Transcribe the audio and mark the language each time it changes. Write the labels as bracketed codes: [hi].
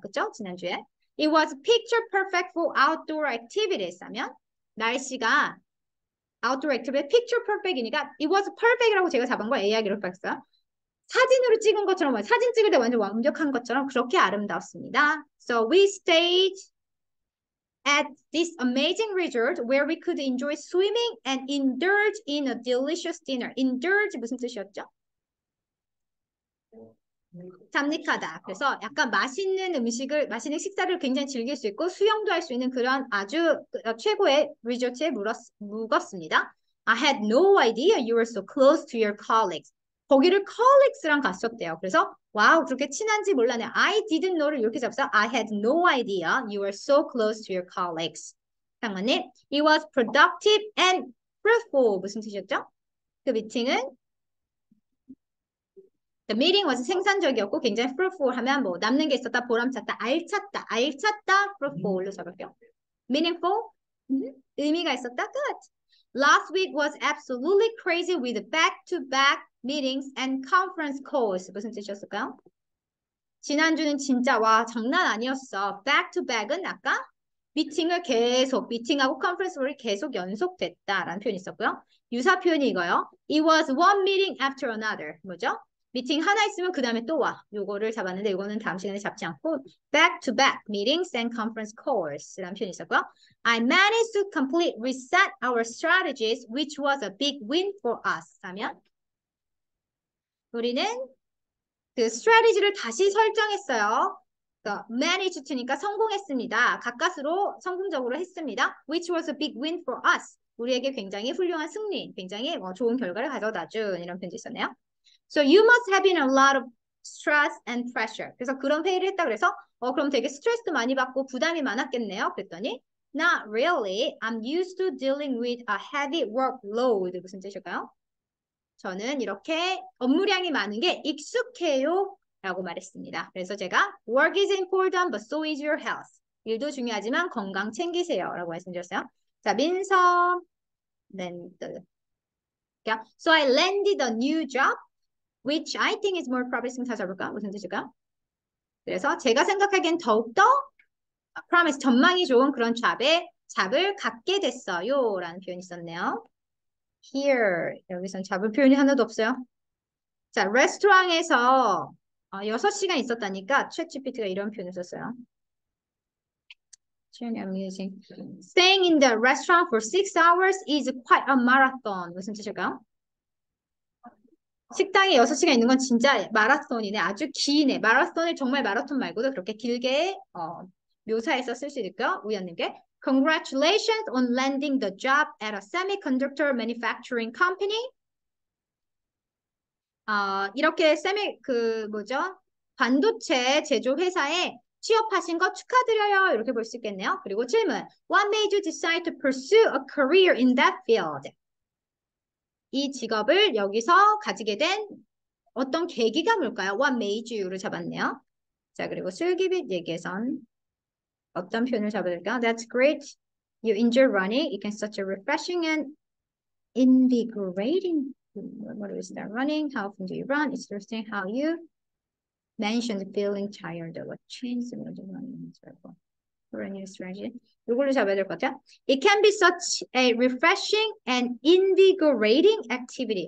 [ko] 그렇죠? 지난주에. [en] It was picture perfect for outdoor activities. [ko] 하면 날씨가 [en] outdoor activity, picture perfect [ko] 이니까 [en] it was perfect [ko] 이라고 제가 잡은 거 AI 기록 봤어요. 사진으로 찍은 것처럼, 사진 찍을 때 완전 완벽한 것처럼 그렇게 아름다웠습니다. [en] So we stayed at this amazing resort where we could enjoy swimming and indulge in a delicious dinner. [ko] Indulge 무슨 뜻이었죠? 잠식하다. 그래서 약간 맛있는 음식을, 맛있는 식사를 굉장히 즐길 수 있고 수영도 할수 있는 그런 아주 최고의 리조트에 묵었습니다. [en] I had no idea you were so close to your colleagues. [ko] 거기를 colleagues랑 갔었대요. 그래서 와우 그렇게 친한지 몰랐네. [en] I didn't know [ko] 를 이렇게 잡았어. [en] I had no idea you were so close to your colleagues. [ko] 잠깐만요. [en] It was productive and fruitful. [ko] 무슨 뜻이었죠? 그 미팅은? [en] The meeting was [ko] 생산적이었고 굉장히 fruitful 하면 뭐 남는 게 있었다, 보람찼다, 알찼다, 알찼다, fruitful로 적을게요. Meaningful? 의미가 있었다, good. [en] Last week was absolutely crazy with back-to-back meetings and conference calls. [ko] 무슨 뜻이었을까요? 지난주는 진짜 와 장난 아니었어. Back-to-back은 아까 미팅을 계속, 미팅하고 conference call이 계속 연속됐다라는 표현이 있었고요. 유사 표현이 이거요. [en] It was one meeting after another. [ko] 뭐죠? 미팅 하나 있으면 그 다음에 또 와. 요거를 잡았는데 요거는 다음 시간에 잡지 않고 [en] back to back meetings and conference calls [ko] 라는 표현이 있었고요. [en] I managed to complete reset our strategies which was a big win for us. [ko] 하면 우리는 그 스트래티지를 다시 설정했어요. 그러니까 managed 니까 성공했습니다. 가까스로 성공적으로 했습니다. [en] Which was a big win for us. [ko] 우리에게 굉장히 훌륭한 승리, 굉장히 좋은 결과를 가져다 준 이런 표현이 있었네요. [en] So you must have been a lot of stress and pressure. [ko] 그래서 그런 회의를 했다 그래서 그럼 되게 스트레스도 많이 받고 부담이 많았겠네요. 그랬더니 [en] Not really. I'm used to dealing with a heavy workload. [ko] 무슨 뜻일까요? 저는 이렇게 업무량이 많은 게 익숙해요. 라고 말했습니다. 그래서 제가 [en] Work is important, but so is your health. [ko] 일도 중요하지만 건강 챙기세요. 라고 말씀드렸어요. 자, 민서. 그러니까, [en] so I landed a new job. Which I think is more promising. [ko] 다시 해볼까? 무슨 뜻일까? 그래서 제가 생각하기엔 더욱더 promise, 전망이 좋은 그런 잡에 잡을 갖게 됐어요. 라는 표현이 있었네요. Here. 여기선 잡을 표현이 하나도 없어요. 자, 레스토랑에서 6시간 있었다니까 챗GPT가 이런 표현을 썼어요. [en] Staying in the restaurant for 6 hours is quite a marathon. [ko] 무슨 뜻일까요? 식당에 6시간 있는 건 진짜 마라톤이네. 아주 기네. 마라톤을 정말 마라톤 말고도 그렇게 길게 묘사해서 쓸수 있을까요? [en] 우연님께 Congratulations on landing the job at a semiconductor manufacturing company. [ko] 이렇게 뭐죠? 반도체 제조 회사에 취업하신 거 축하드려요. 이렇게 볼수 있겠네요. 그리고 질문. [en] What made you decide to pursue a career in that field? [ko] 이 직업을 여기서 가지게 된 어떤 계기가 뭘까요? [en] What made you [ko] 를 잡았네요. 자, 그리고 슬기빗 얘기에선 어떤 표현을 잡아줄까? [en] That's great. You enjoy running. It can such a refreshing and invigorating. What is that? Running? How often do you run? It's interesting how you mentioned feeling tired. What changed when you're running? For a new strategy. [ko] 이걸로 잡아야 될것 같아요. [en] It can be such a refreshing and invigorating activity.